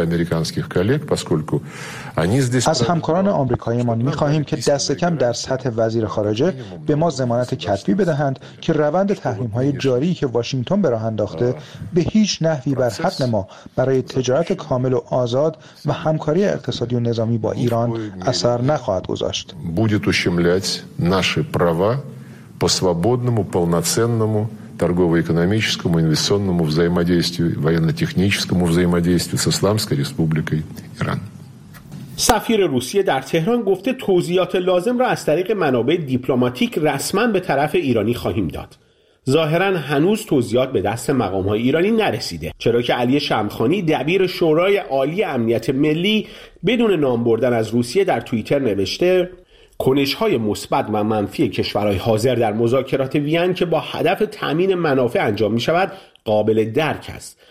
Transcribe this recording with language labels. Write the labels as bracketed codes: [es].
[fa] از همکاران آمریکاییمان می‌خواهیم که دستکم در سطح وزیر خارجه به ما ضمانت کتبی بدهند که روند تحریم‌های جاری که واشنگتن به راه انداخته به هیچ نحوی بر حق ما برای تجارت کامل و آزاد و همکاری اقتصادی و نظامی با ایران اثر نخواهد گذاشت. [ru] будет ущемлять наши права по свободному полноценному торгово-экономическому, инвестиционному взаимодействию, военно-техническому взаимодействию с Исламской Республикой Иран. [fa] سفیر روسیه در تهران گفته توضیحات لازم را از طریق منابع دیپلماتیک رسما به طرف ایرانی خواهیم داد. ظاهرا هنوز توضیحات به دست مقام‌های ایرانی نرسیده، چرا که علی شمخانی دبیر شورای عالی امنیت ملی بدون نام بردن از روسیه در توییتر نوشته: کنش‌های مثبت و منفی کشورهای حاضر در مذاکرات وین که با هدف تامین منافع انجام می‌شود قابل درک است.